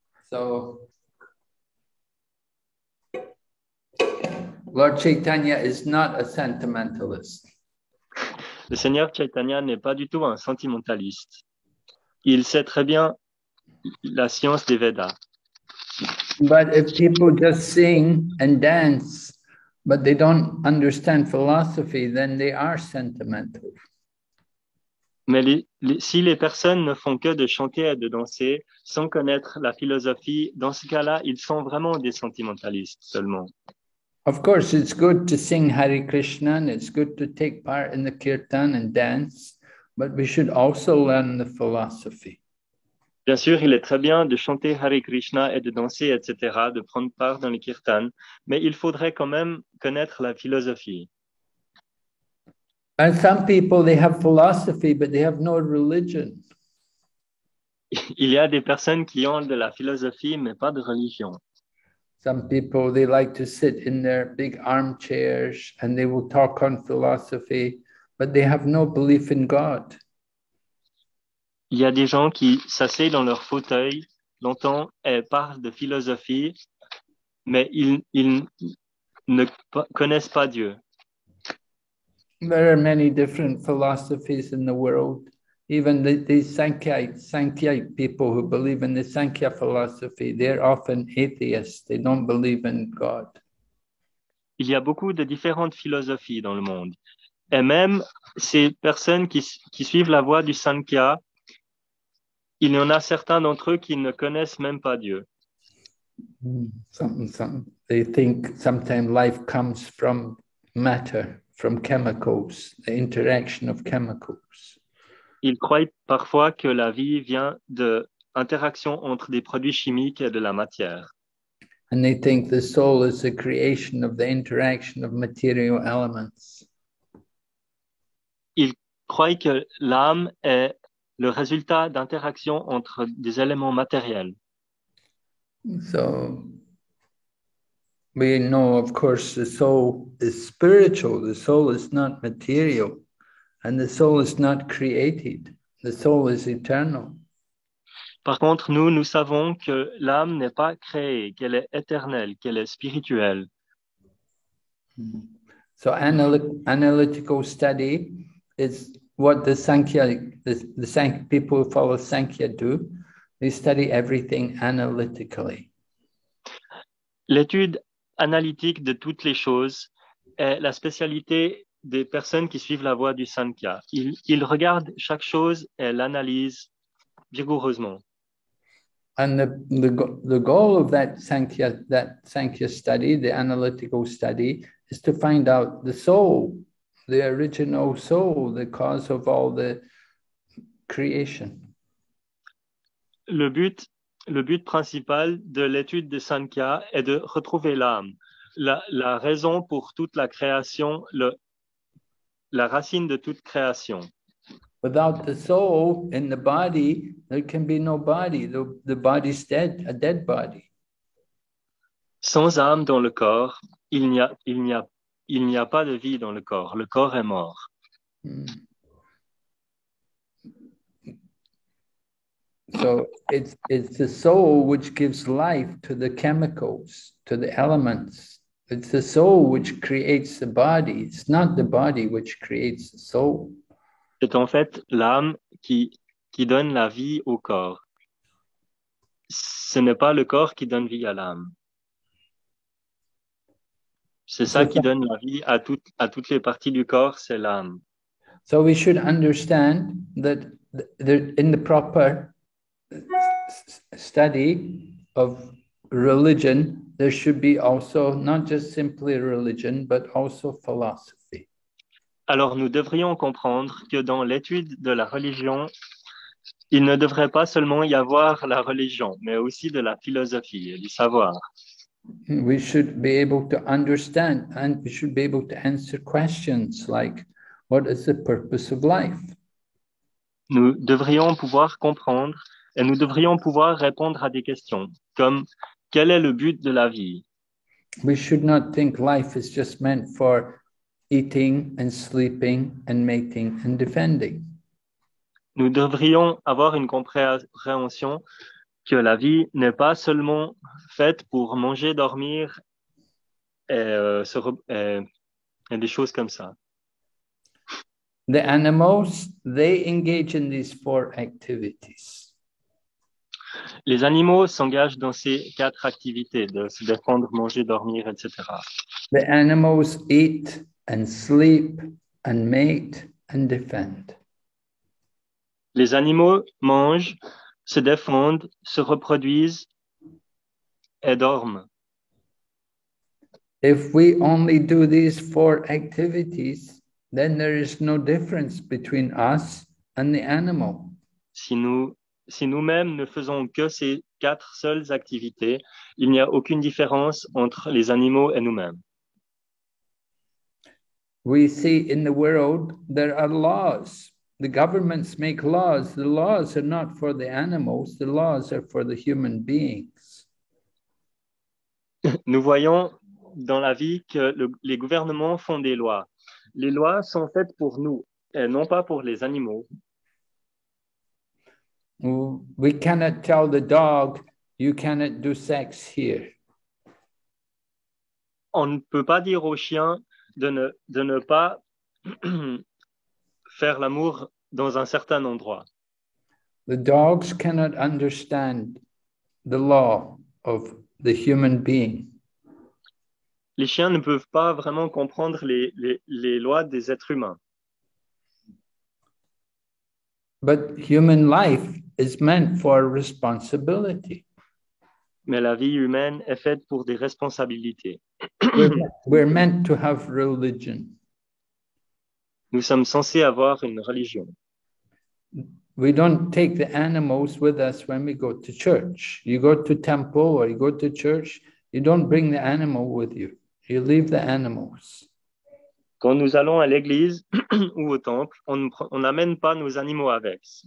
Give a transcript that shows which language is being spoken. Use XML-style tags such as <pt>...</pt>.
<en>So, Lord Chaitanya is not a sentimentalist.</en> <fr>Le Seigneur Chaitanya n'est pas du tout un sentimentaliste. Il sait très bien la science des Vedas.</fr> <en>But if people just sing and dance, but they don't understand philosophy, then they are sentimental.</en> <fr>Mais si les personnes ne font que de chanter et de danser sans connaître la philosophie, dans ce cas-là, ils sont vraiment des sentimentalistes seulement.</fr> <en>Of course, it's good to sing Hare Krishna, and it's good to take part in the kirtan and dance, but we should also learn the philosophy.</en> <fr>Bien sûr, il est très bien de chanter Hare Krishna et de danser, etc., de prendre part dans le kirtan, mais il faudrait quand même connaître la philosophie.</fr> <en>And some people, they have philosophy, but they have no religion.</en> <fr>Il y a des personnes qui ont de la philosophie, mais pas de religion.</fr> <en>Some people, they like to sit in their big armchairs and they will talk on philosophy, but they have no belief in God.</en> <fr>Il y a des gens qui s'asseyent dans leur fauteuil longtemps et parlent de philosophie, mais ils ne connaissent pas Dieu.</fr> <en>There are many different philosophies in the world. Even the Sankhyaite people who believe in the Sankhya philosophy, they're often atheists. They don't believe in God.</en> <fr>Il y a beaucoup de différentes philosophies dans le monde. Et même ces personnes qui suivent la voie du Sankhya, il y en a certains d'entre eux qui ne connaissent même pas Dieu.</fr> <en>They think sometimes life comes from matter, from chemicals, the interaction of chemicals.</en> <fr>Ils croient parfois que la vie vient de interaction entre des produits chimiques et de la matière.</fr> <en>And they think the soul is the creation of the interaction of material elements.</en> <fr>Ils croient que l'âme est le résultat d'interaction entre des éléments matériels.</fr> <en>So, we know, of course, the soul is spiritual. The soul is not material. And the soul is not created. The soul is eternal.</en> <fr>Par contre, nous savons que l'âme n'est pas créée, qu'elle est éternelle, qu'elle est spirituelle.</fr> <en>So, analytical study is what the people who follow Sankhya do. They study everything analytically.</en> <fr>L'étude analytique de toutes les choses est la spécialité des personnes qui suivent la voie du Sankhya. Ils regardent chaque chose et l'analysent vigoureusement.</fr> <en>And the goal of that Sankhya study, the analytical study, is to find out the soul, the original soul, the cause of all the creation.</en> <fr>Le but principal de l'étude de Sankhya est de retrouver l'âme, la raison pour toute la création, la racine de toute création.</fr> <en>Without the soul in the body, there can be no body. The body is dead, a dead body.</en> <fr>Sans âme dans le corps, il n'y a pas de vie dans le corps. Le corps est mort.</fr> <en>So it's the soul which gives life to the chemicals, to the elements. It's the soul which creates the body. It's not the body which creates the soul.</en> <fr>C'est en fait l'âme qui donne la vie au corps. Ce n'est pas le corps qui donne vie à l'âme. C'est ça qui donne la vie à toutes les parties du corps, c'est l'âme.</fr> <en>So we should understand that in the proper study of religion, there should be also not just simply religion, but also philosophy.</en> <fr>Alors nous devrions comprendre que dans l'étude de la religion, il ne devrait pas seulement y avoir la religion, mais aussi de la philosophie et du savoir.</fr> <en>We should be able to understand and we should be able to answer questions like, what is the purpose of life?</en> <fr>Nous devrions pouvoir comprendre et nous devrions pouvoir répondre à des questions comme, quel est le but de la vie?</fr> <en>We should not think life is just meant for eating and sleeping and mating and defending.</en> <fr>Nous devrions avoir une compréhension que la vie n'est pas seulement faite pour manger, dormir et des choses comme ça.</fr> <en>The animals, they engage in these four activities.</en> <fr>Les animaux s'engagent dans ces quatre activités, de se défendre, manger, dormir, etc.</fr> <en>The animals eat and sleep and mate and defend.</en> <fr>Les animaux mangent, se défendent, se reproduisent et dorment.</fr> <en>If we only do these four activities, then there is no difference between us and the animal.</en> <fr>Si nous-mêmes ne faisons que ces quatre seules activités, il n'y a aucune différence entre les animaux et nous-mêmes.</fr> <en>We see in the world there are laws. The governments make laws. The laws are not for the animals. The laws are for the human beings.</en> <fr>Nous voyons dans la vie que les gouvernements font des lois. Les lois sont faites pour nous et non pas pour les animaux.</fr> <en>We cannot tell the dog, you cannot do sex here.</en> <fr>On ne peut pas dire au chien de ne pas faire l'amour dans un certain endroit.</fr> <en>The dogs cannot understand the law of the human being.</en> <fr>Les chiens ne peuvent pas vraiment comprendre les lois des êtres humains.</fr> <en>But human life is meant for responsibility.</en> <fr>Mais la vie humaine est faite pour des responsabilités.</fr> <en>We're meant to have religion.</en> <fr>Nous sommes censés avoir une religion.</fr> <en>We don't take the animals with us when we go to church. You go to temple or you go to church, you don't bring the animal with you. You leave the animals.</en> <fr>Quand nous allons à l'église ou au temple, on n'amène pas nos animaux avec.</fr>